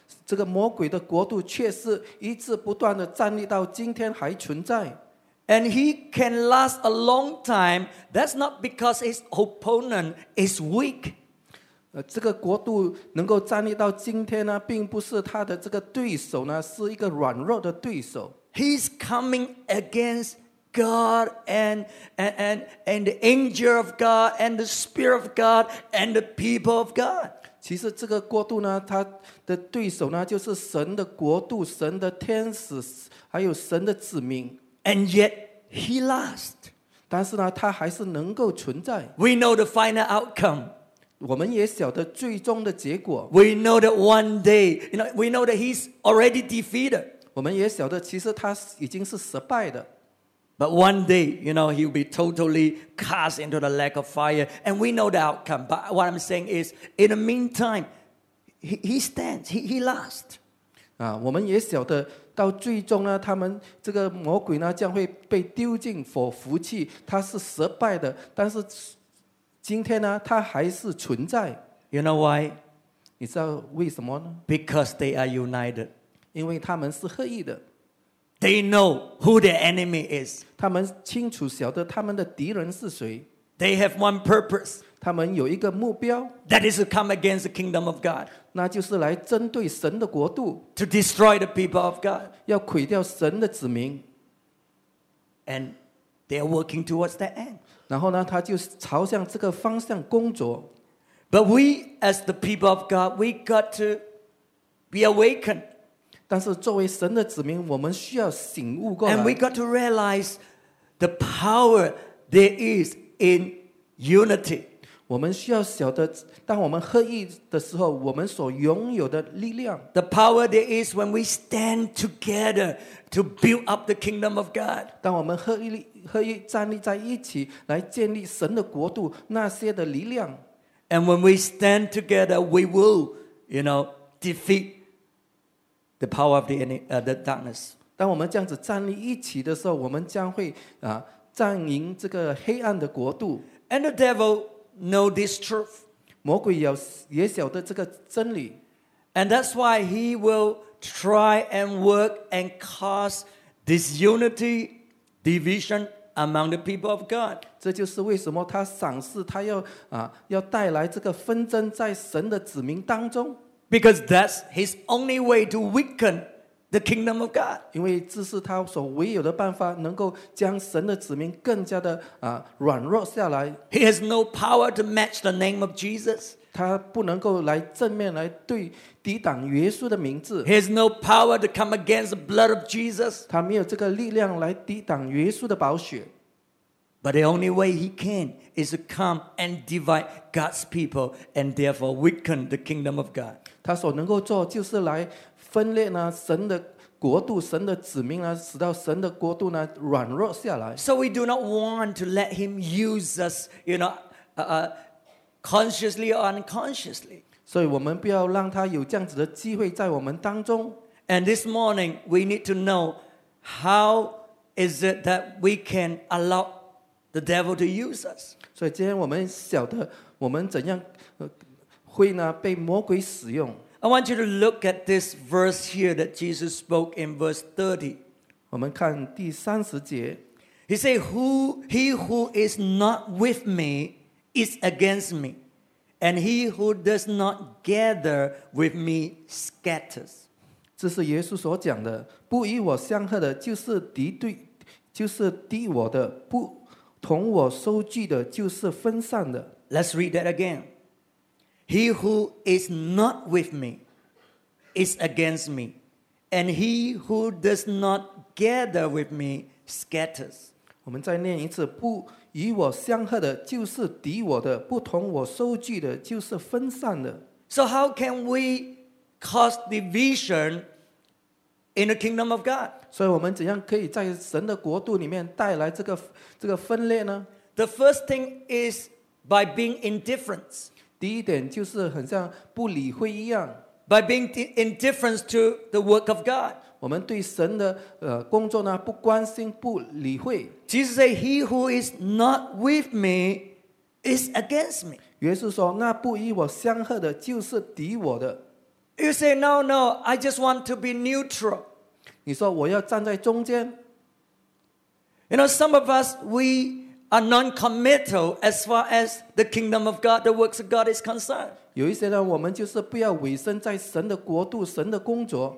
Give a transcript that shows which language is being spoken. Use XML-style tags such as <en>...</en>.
<zh>这个魔鬼的国度却是一直不断地站立到今天还存在。</zh> <en>And he can last a long time. That's not because his opponent is weak.</en> <zh>这个国度能够站立到今天呢，并不是他的这个对手呢，是一个软弱的对手。</zh> <en>He's coming against God and the angel of God and the spirit of God and the people of God.</en> <zh>其实这个国度呢，他的对手呢，就是神的国度、神的天使，还有神的子民。</zh> <en>And yet he lasts.</en> <zh>但是呢，他还是能够存在。</zh> <en>We know the final outcome.</en> <zh>我们也晓得最终的结果。</zh> <en>We know that one day, you know, we know that he's already defeated.</en> <zh>我们也晓得，其实他已经是失败的。</zh> <en>But one day, you know, he'll be totally cast into the lake of fire. And we know the outcome. But what I'm saying is, in the meantime, he stands, he lasts.</en> <zh>我们也晓得到最终呢，他们这个魔鬼呢，将会被丢进火湖去，他是失败的。但是今天呢，他还是存在。</zh> <en>You know why?</en> <zh>你知道为什么呢？</zh> <en>Because they are united.</en> <zh>因为他们是合一的。</zh> <en>They know who their enemy is.</en> <zh>他们清楚晓得他们的敌人是谁。</zh> <en>They have one purpose.</en> <zh>他们有一个目标。</zh> <en>That is to come against the kingdom of God.</en> <zh>那就是来针对神的国度。</zh> <en>To destroy the people of God.</en> <zh>要毁掉神的子民。</zh> <en>And they are working towards that end.</en> <zh>然后呢，他就朝向这个方向工作。</zh> <en>But we, as the people of God, we got to be awakened.</en> <zh>但是作为神的子民，我们需要醒悟过来。</zh> <en>And we got to realize the power there is in unity.</en> <zh>我们需要晓得，当我们合一的时候，我们所拥有的力量。</zh> <en>The power there is when we stand together to build up the kingdom of God.</en> <zh>当我们合一站立在一起，来建立神的国度，那些的力量。</zh> <en>And when we stand together, we will, you know, defeat. The power of the darkness.</en> <zh>当我们这样子站立一起的时候，我们将会占领这个黑暗的国度。</zh> <en>And the devil know this truth.</en> <zh>魔鬼也晓得这个真理。</zh> <en>And that's why he will try and work and cause disunity, division among the people of God.</en> <zh>这就是为什么他赏赐他要带来这个纷争在神的子民当中。</zh> <en>Because that's his only way to weaken the kingdom of God.</en> <zh>因为这是他所唯有的办法，能够将神的子民更加的软弱下来。</zh> <en>He has no power to match the name of Jesus.</en> <zh>他不能够来正面来对抵挡耶稣的名字。</zh> <en>He has no power to come against the blood of Jesus.</en> <zh>他没有这个力量来抵挡耶稣的宝血。</zh> <en>But the only way he can is to come and divide God's people and therefore weaken the kingdom of God.</en> <zh>他所能够做就是来分裂呢神的国度神的子民呢使到神的国度呢软弱下来。</zh> <en>So we do not want to let him use us, you know, consciously or unconsciously.</en> <zh>所以我们不要让他有这样子的机会在我们当中。</zh> <en>And this morning, we need to know how is it that we can allow the devil to use us.</en> <zh>所以今天我们晓得我们怎样会呢被魔鬼使用。</zh> <en>I want you to look at this verse here that Jesus spoke in verse 30.</en> <zh>我们看第三十节。</zh> <en>He said, he who is not with me is against me, and he who does not gather with me scatters.</en> <zh>这是耶稣所讲的，不与我相合的就是敌对，就是敌我的，不同我收聚的就是分散的。</zh> <en>Let's read that again. He who is not with me is against me, and he who does not gather with me scatters.</en> <zh>我们再念一次，不与我相合的就是敌我的，不同我收聚的就是分散的。</zh> <en>So how can we cause division in the kingdom of God?</en> <zh>所以我们怎样可以在神的国度里面带来这个分裂呢？</zh> <en>The first thing is by being indifferent.</en> <zh>第一点就是很像不理会一样。</zh> <en>By being indifferent to the work of God.</en> <zh>我们对神的工作呢不关心不理会。</zh> <en>Jesus said, he who is not with me is against me.</en> <zh>耶稣说那不与我相合的就是敌我的。</zh> <en>You say, no, no, I just want to be neutral.</en> <zh>你说我要站在中间。</zh> <en>You know, some of us, we are non-committal as far as the kingdom of God, the works of God is concerned.</en> <zh>有一些人我们就是不要委身在神的国度、神的工作。</zh>